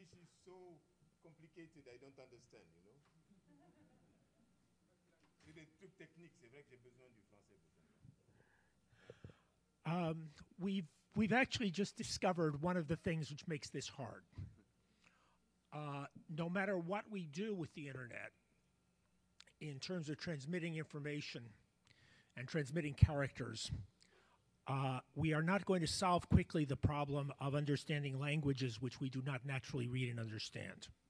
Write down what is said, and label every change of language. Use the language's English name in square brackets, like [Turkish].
[English] This is so complicated, I don't understand, you know? [French] C'est des trucs techniques, c'est vrai que j'ai besoin du français. [English] We've actually just discovered one of the things which makes this hard. No matter what we do with the internet, in terms of transmitting information and transmitting characters, we are not going to solve quickly the problem of understanding languages which we do not naturally read and understand.